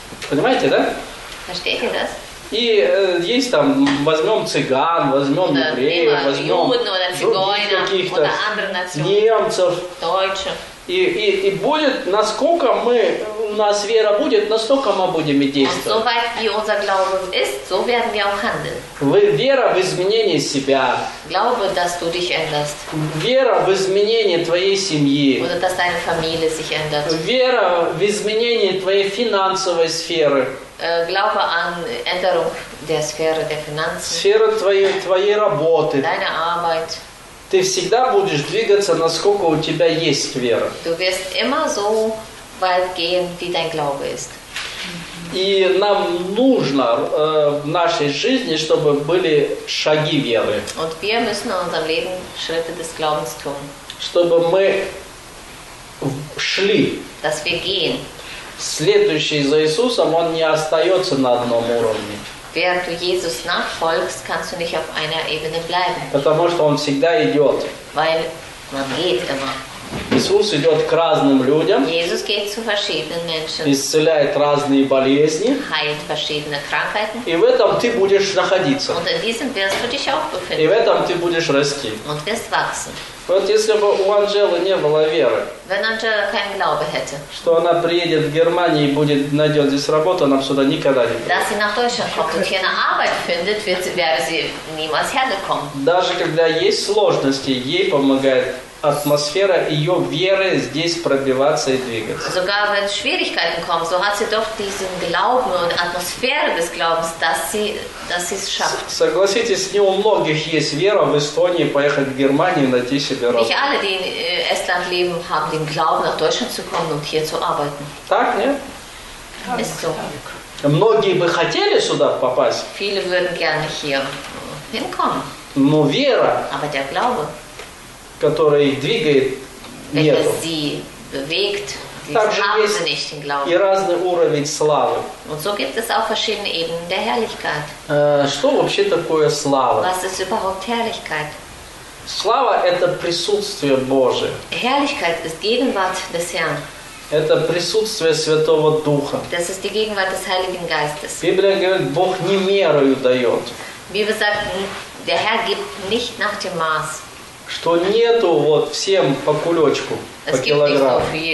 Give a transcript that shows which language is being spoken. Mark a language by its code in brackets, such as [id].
[ru] Понимаете, да? И есть там, возьмем цыган, возьмем евреев, возьмем Juden, других каких-то немцев. И будет, насколько мы, у нас вера будет, настолько мы будем и действовать. [de] So weit, wie unser Glaube ist, so werden wir auch handeln. [ru] Вера в изменении себя. [de] Glaube, dass du dich änderst. [ru] Вера в изменении твоей семьи. [de] Oder dass deine Familie sich ändert. [ru] Вера в изменении твоей финансовой сферы. [de] Glaube an Änderung der Sphäre der Finanzen. [ru] Сфера твоей работы. [de] Deine Arbeit. [ru] Ты всегда будешь двигаться, насколько у тебя есть вера. [de] Du wirst immer so weit gehen, wie dein Glaube ist. [ru] И нам нужно в нашей жизни, чтобы были шаги веры. [de] Und wir müssen in unserem Leben Schritte des Glaubens tun. [ru] Чтобы мы шли. [de] Dass wir gehen. [ru] Следующий за Иисусом, он не остается на одном уровне. [de] Während du Jesus nachfolgst, kannst du nicht auf einer Ebene bleiben. [ru] Потому что он всегда идет. [de] Weil Man geht immer. [ru] Иисус идет к разным людям. [de] Jesus geht zu verschiedenen Menschen. [ru] Исцеляет разные болезни. [de] Heilt verschiedene Krankheiten. [ru] И в этом ты будешь находиться. [de] Und in diesem wirst du dich auch befinden. [ru] И в этом ты будешь расти. [de] Und wirst wachsen. [ru] Вот если бы у Анжелы не было веры, [de] wenn Angela keinen Glauben hätte, [ru] что она приедет в Германию и будет найдет здесь работу, она бы сюда никогда не приедет. [de] Dass sie nach Deutschland kommt und hier eine Arbeit findet, wäre sie niemals hergekommen. [ru] Даже когда есть сложности, ей помогает атмосфера ее веры здесь пробиваться и двигаться. [de] Sogar wenn Schwierigkeiten kommen, so hat sie doch diesen Glauben und Atmosphäre des Glaubens, dass sie es schafft. [ru] Согласитесь, не у многих есть вера в Эстонии поехать в Германию найти себе работу. [de] Nicht alle, die in Estland leben, haben den Glauben, nach Deutschland zu kommen und hier zu arbeiten. [ru] Так, не? [de] Ist so. [ru] Многие бы хотели сюда попасть. [de] Viele würden gerne hier hinkommen. [ru] Но вера. [de] Aber der Glaube. [ru] Который двигает [de] bewegt, также есть [ru] и разный уровень славы. [de] Und so gibt es auch verschiedene Ebenen der Herrlichkeit. [ru] Что вообще такое слава? [de] Was ist überhaupt Herrlichkeit? [ru] Слава – это присутствие Божие. [de] Herrlichkeit ist Gegenwart des Herrn. [ru] Это присутствие Святого Духа. [de] Das ist die Gegenwart des Heiligen Geistes. [ru] Библия говорит, Бог не мерою дает. [de] Wie gesagt, der Herr gibt nicht nach dem Maß. [ru] Что нету вот всем по кулечку, по килограмму.